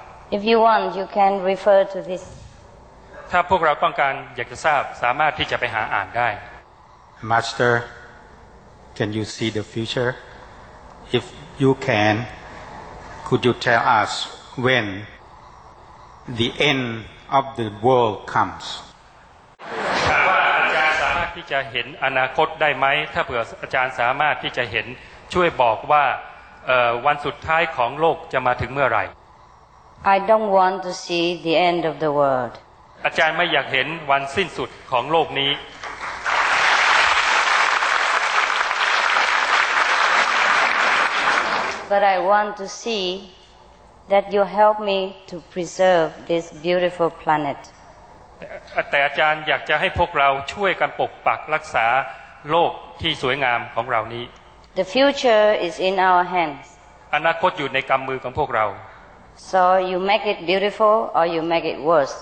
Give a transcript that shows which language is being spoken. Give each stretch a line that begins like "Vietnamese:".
English: If you want, you can refer to this.
Thai: ถ้าพวกเราต้องการอยากจะทราบสามารถที่จะไปหาอ่านได้
English: Master, can you see the future? If you can, could you tell us when the end of the world comes?
Thai: ถามว่าอาจารย์สามารถที่จะเห็นอนาคตได้ไหมถ้าเผื่ออาจารย์สามารถที่จะเห็นช่วยบอกว่าวันสุดท้ายของโลกจะมาถึงเมื่อไหร่
English: I don't want to see the end of the world.
Thai: อาจารย์ไม่อยากเห็นวันสิ้นสุดของโลกนี้
English: But I want to see that you help me to preserve this beautiful planet.
Thai: แต่อาจารย์อยากจะให้พวกเราช่วยกันปกปักรักษาโลกที่สวยงามของเรานี้
English: The future is in our hands.
Thai: อนาคตอยู่ในกำมือของพวกเรา
English: So you make it beautiful or you make it worse.